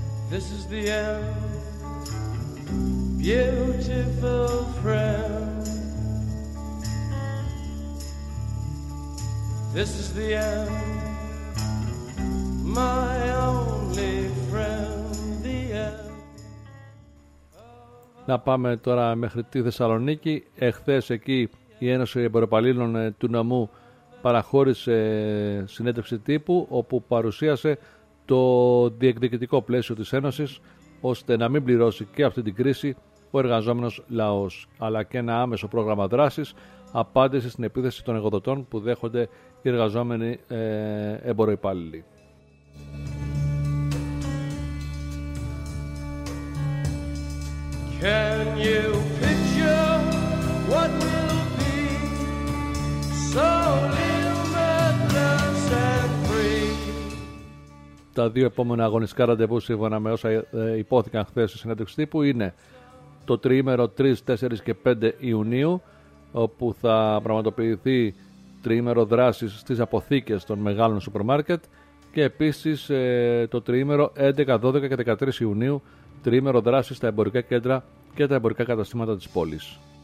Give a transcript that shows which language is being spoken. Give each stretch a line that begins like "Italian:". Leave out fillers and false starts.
English: This is the end, beautiful friend. This is the end, my only friend, the end.
Greek: Να πάμε τώρα μέχρι τη Θεσσαλονίκη. Εχθές εκεί η Ένωση Εμπεριοπαλλήλων του Νομού παραχώρησε συνέντευξη τύπου όπου παρουσίασε το διεκδικητικό πλαίσιο της Ένωσης ώστε να μην πληρώσει και αυτή την κρίση ο εργαζόμενος λαός, αλλά και ένα άμεσο πρόγραμμα δράσης απάντηση στην επίθεση των εργοδοτών που δέχονται οι εργαζόμενοι εμποροϋπάλληλοι.
English: Can you picture what will be so limitless and free?
Greek: Τα δύο επόμενα αγωνιστικά ραντεβού σύμφωνα με όσα υπόθηκαν χθες στη συνέντευξη τύπου είναι το τριήμερο 3, 4 και 5 Ιουνίου, όπου θα πραγματοποιηθεί τριήμερο δράσης στις αποθήκες των μεγάλων σούπερ μάρκετ και επίσης το τριήμερο 11, 12 και 13 Ιουνίου, τριήμερο δράσης στα εμπορικά κέντρα και τα εμπορικά καταστήματα της πόλης.